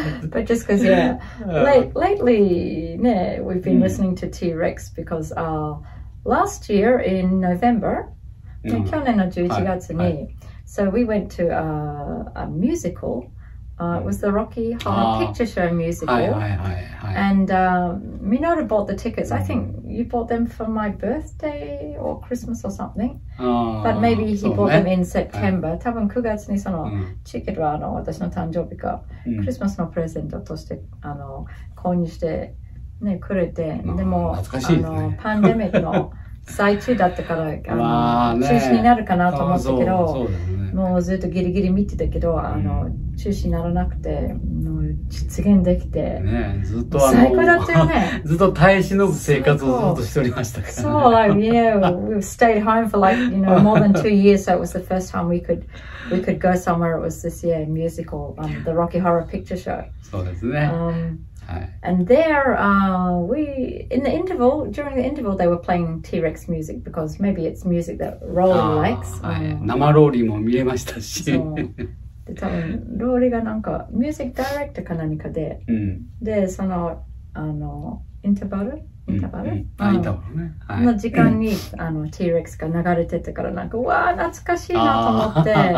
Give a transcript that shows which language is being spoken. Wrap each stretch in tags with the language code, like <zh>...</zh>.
<en>But just because lately, ね、we've been listening to T.Rex because last year in November、</en> <ja>うん、去年の11月に、はいはい、</ja> <en>so we went to a musical. It was the Rocky Horror Picture Show musical.</en> <ja>はいはいはいはい。</ja> <en>And Minoru bought the tickets. I think you bought them for my birthday or Christmas or something. But maybe he bought them in September.</en> <ja>多分9月にそのチケットはあの私の誕生日か、クリスマスのプレゼントとしてあの購入してねくれて、でも懐かしいですね。パンデミックの最中だったから、中止になるかなと思ったけど、もうずっとギリギリ見てたけど、中止にならなくて、もう実現できて、ね、ずっと最高だったよね。ずっと耐え忍ぶ生活をずっとしておりましたから、ね。</ja> <en>そう、like, you know, we stayed home for like, you know, more than 2 years, so it was the first time we could go somewhere. It was this year, musical, the Rocky Horror Picture Show.</en> <ja>そうですね。</ja> <en>And there, during the interval, they were playing T-Rex music because maybe it's music that Rolly likes.</en> <ja>はい、生ローリーも見れましたし。で、多分ローリーがなんかミュージックディレクターか何かで、で、そのあのインターバルの時間にあの T-Rex が流れてたから、なんかわあ懐かしいなと思って。</ja>